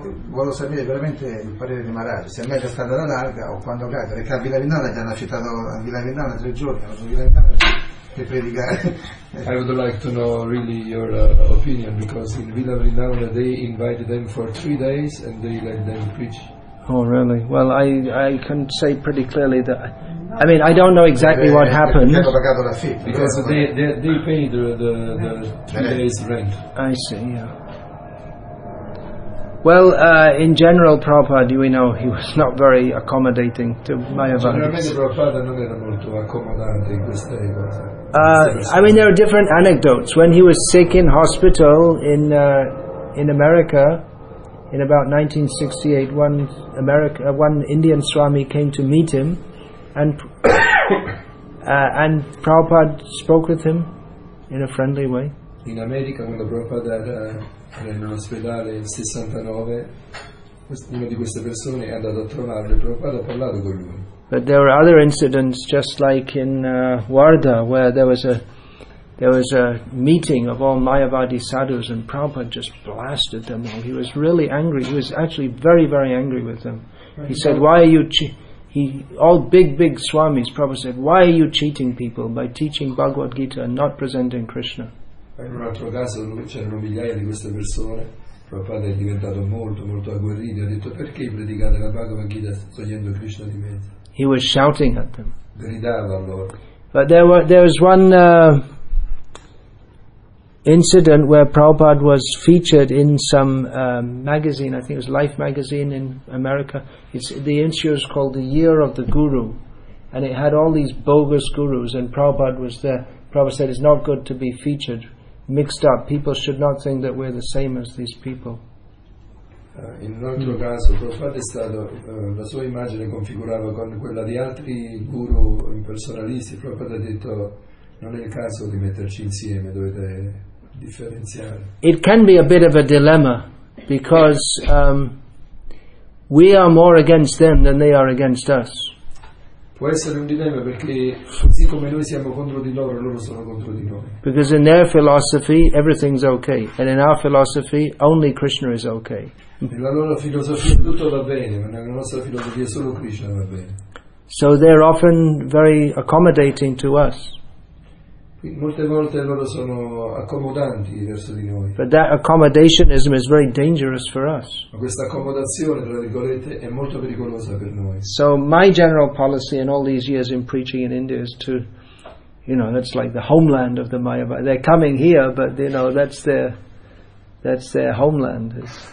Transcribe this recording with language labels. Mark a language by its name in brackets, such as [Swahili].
[Italian] Volevo sapere veramente il parere di Maharaj, se è meglio stata la larga o quando cade, perché a Villa Vindana gli hanno affittato a Villa Vindana 3 giorni, hanno su Villa Vindana per predicare. [English] I would like to know really your opinion, because in Villa Vindana they invited them for 3 days and they let them preach. Oh really? Well, I can say pretty clearly that I mean I don't know exactly what happened. Because they paid the 3 days rent. I see, yeah. Well, in general, Prabhupada, we know he was not very accommodating to Mayavadis. [Italian] Generalmente, Prabhupada non era molto accomodante in questa epoca. [English] I mean, there are different anecdotes. When he was sick in hospital in America, in about 1968, one Indian Swami came to meet him, and Prabhupada spoke with him in a friendly way. [Italian] In America, [English] when the [Italian] Prabhupada in ospedale in 69, una di queste persone è andata a trovarlo e Prabhupada ha parlato con lui. [English] But there were other incidents, just like in Wardha, where there was a meeting of all Mayavadi sadhus, and Prabhupada just blasted them all. He was really angry. He was actually very, very angry with them. He said, "Why are you?" All big swamis. Prabhupada said, "Why are you cheating people by teaching Bhagavad Gita and not presenting Krishna?" [Italian] In un altro caso dove c'erano migliaia di queste persone, Prabhupada è diventato molto molto agguerrito e ha detto: perché predicate la Bhagavad Gita togliendo Krishna di mezzo? [English] He was shouting at them. [Italian] Gridava a loro. [English] But there was one incident where Prabhupada was featured in some magazine, I think it was Life magazine in America. The issue is called The Year of the Guru, and it had all these bogus gurus, and Prabhupada was there. Prabhupada said it's not good to be featured. Mixed up, people should not think that we're the same as these people. [Italian] In un altro caso, Prabhupada è stato la sua immagine configurava con quella di altri guru impersonalisti. Prabhupada ha detto: non è il caso di metterci insieme, dovete differenziare. [English] It can be a bit of a dilemma because we are more against them than they are against us. [Italian] Può essere un dilemma perché così come noi siamo contro di loro, loro sono contro di noi. [English] Because in their philosophy everything's okay, and in our philosophy only Krishna is okay. [Italian] Nella loro filosofia tutto va bene, ma nella nostra filosofia solo Krishna va bene. [English] So they're often very accommodating to us. [Italian] Molte volte loro sono accomodanti verso di noi. [English] But that accommodationism is very dangerous for us. [Italian] Ma questa accomodazione, tra virgolette, è molto pericolosa per noi. [English] So my general policy in all these years in preaching in India is to, you know, that's like the homeland of the Mayavadi. They're coming here, but you know, that's their homeland.